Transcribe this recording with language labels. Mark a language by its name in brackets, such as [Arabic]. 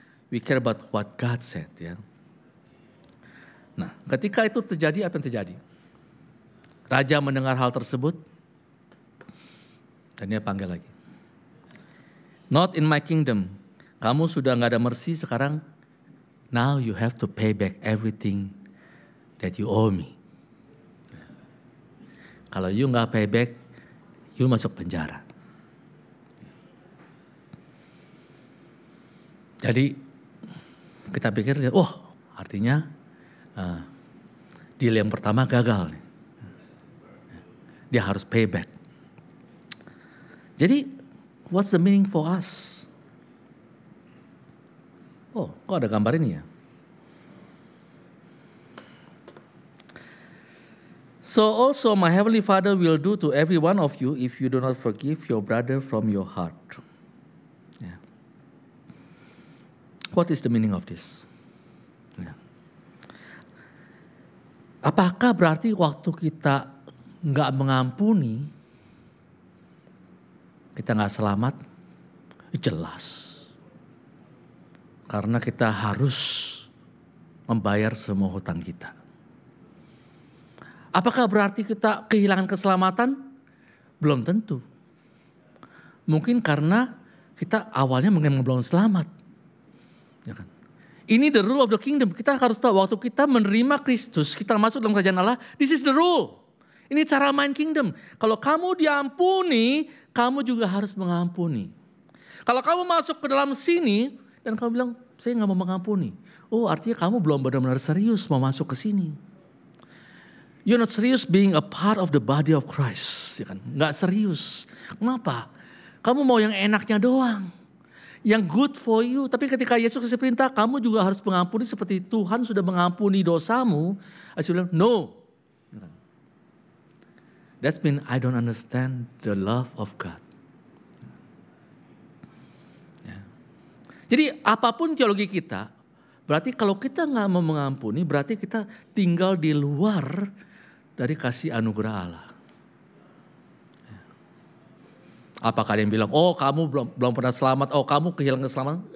[English] We care about what God said, ya. [Indonesian] Nah, ketika itu terjadi, apa yang terjadi? Raja mendengar hal tersebut, dan dia panggil lagi. [English] Not in my kingdom. [Indonesian] Kamu sudah gak ada mercy sekarang. [English] Now you have to pay back everything that you owe me. [Indonesian] Kalau you gak [English] pay back, [Indonesian] you masuk penjara. Jadi, kita pikir, oh, artinya deal yang pertama gagal. Dia harus payback. Jadi, [English] what's the meaning for us? [Indonesian] Oh, kok ada gambar ini ya? [English] So also my heavenly Father will do to every one of you if you do not forgive your brother from your heart. Yeah. What is the meaning of this? [Indonesian] Apakah berarti waktu kita gak mengampuni, kita gak selamat? Jelas. Karena kita harus membayar semua hutang kita. Apakah berarti kita kehilangan keselamatan? Belum tentu. Mungkin karena kita awalnya memang belum selamat. Ya kan? Ini [English] the rule of the kingdom. [Indonesian] Kita harus tahu waktu kita menerima Kristus, kita masuk dalam kerajaan Allah, [English] this is the rule. [Indonesian] Ini cara main kingdom. Kalau kamu diampuni, kamu juga harus mengampuni. Kalau kamu masuk ke dalam sini, dan kamu bilang, saya gak mau mengampuni. Oh, artinya kamu belum benar-benar serius mau masuk ke sini. [English] You're not serious being a part of the body of Christ. [Indonesian] Ya kan? Gak serius. Kenapa? Kamu mau yang enaknya doang. Yang [English] good for you. [Indonesian] Tapi ketika Yesus kasih perintah, kamu juga harus mengampuni seperti Tuhan sudah mengampuni dosamu. Asyik bilang, no. [English] That's mean I don't understand the love of God. Yeah. [Indonesian] Jadi apapun teologi kita, berarti kalau kita gak mau mengampuni, berarti kita tinggal di luar dari kasih anugerah Allah. Apakah ada yang bilang, oh kamu belum pernah selamat, oh kamu kehilangan keselamatan.